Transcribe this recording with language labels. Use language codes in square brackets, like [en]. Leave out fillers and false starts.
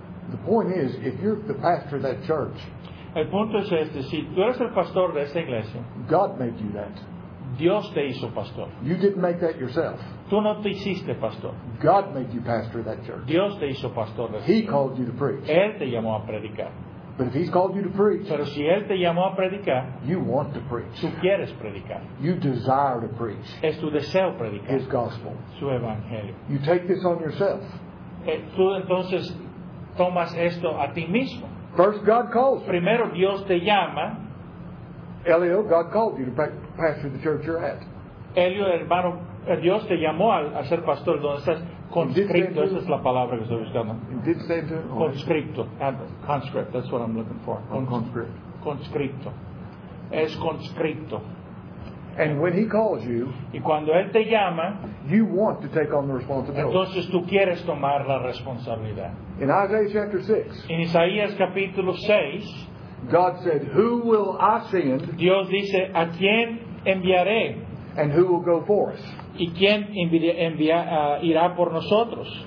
[en] The point is, if you're the pastor of that church, [es] el punto es este, si tú eres el pastor de esta iglesia, [en] God made you that. [es] Dios te hizo pastor. [en] You didn't make that yourself. [es] Tú no te hiciste pastor. [en] God made you pastor of that church. [es] Dios te hizo pastor de esa. [en] He called you to preach. [es] Él te llamó a predicar. [en] But if he's called you to preach, [es] pero si él te llamó a predicar, [en] you want to preach. [es] Tú quieres predicar. [en] You desire to preach. [es] Es tu deseo predicar. [en] His gospel. [es] Su evangelio. [en] You take this on yourself. [es] Tú entonces tomas esto a ti mismo. [en] First God calls. [es] Primero Dios te llama. [en] Elio, God called you to pastor the church you're at. [es] Elio, hermano, Dios te llamó a ser pastor donde estás. Conscripto, esa es la palabra que estoy buscando. Conscripto. [en] Conscript, that's what I'm looking for. Conscript. [es] Conscripto. Es conscripto. [en] And when he calls you, [es] y cuando él te llama, [en] you want to take on the responsibility. [es] Entonces tú quieres tomar la responsabilidad. [en] In Isaiah chapter 6. [es] En Isaías capítulo 6. [en] God said, "Who will I send?" [es] Dios dice, ¿a quién enviaré? [en] And who will go for us? [es] ¿Y quién irá por nosotros?